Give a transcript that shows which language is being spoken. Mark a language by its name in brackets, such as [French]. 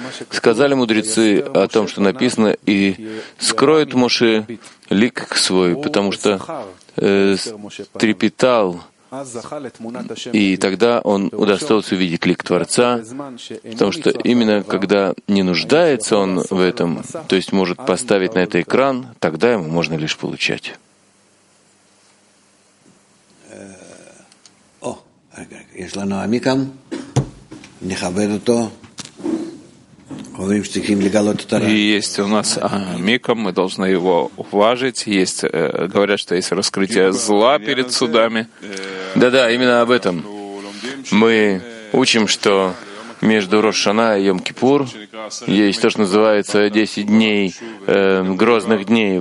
[Russian] Сказали мудрецы о том, что написано, и скроет Моше лик свой, потому что трепетал, и тогда он удостоился увидеть лик Творца, потому что именно когда не нуждается он в этом, то есть может поставить на это экран, тогда ему можно лишь получать. [Hebrew] יש לנו עמיקם, נכבד אותו, אומרים שצריכים לגלות את הרעי. [Russian] Есть у нас עמיקם, мы должны его уважить. Есть, говорят, что есть раскрытие зла перед судами. Да-да, именно об этом. Мы учим, что между Рош-Шана и Йом-Кипур есть то, что называется 10 дней, грозных дней.